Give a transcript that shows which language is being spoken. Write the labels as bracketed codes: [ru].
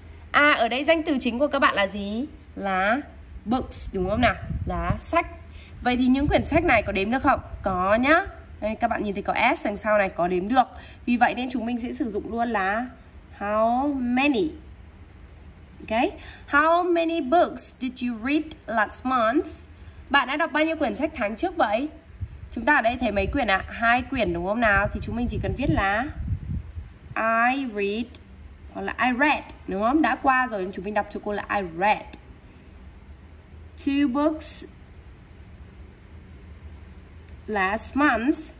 [vi] À, ở đây danh từ chính của các bạn là gì? Là books, đúng không nào? Là sách. Vậy thì những quyển sách này có đếm được không? Có nhá. Đây, các bạn nhìn thấy có S đằng sau này, có đếm được. Vì vậy nên chúng mình sẽ sử dụng luôn là how many. Okay. [en] How many books did you read last month? [vi] Bạn đã đọc bao nhiêu quyển sách tháng trước vậy? Chúng ta ở đây thấy mấy quyển ạ? À? 2 quyển đúng không nào? Thì chúng mình chỉ cần viết là I read hoặc là I read đúng không? Đã qua rồi chúng mình đọc cho cô là [en] I read 2 books last month.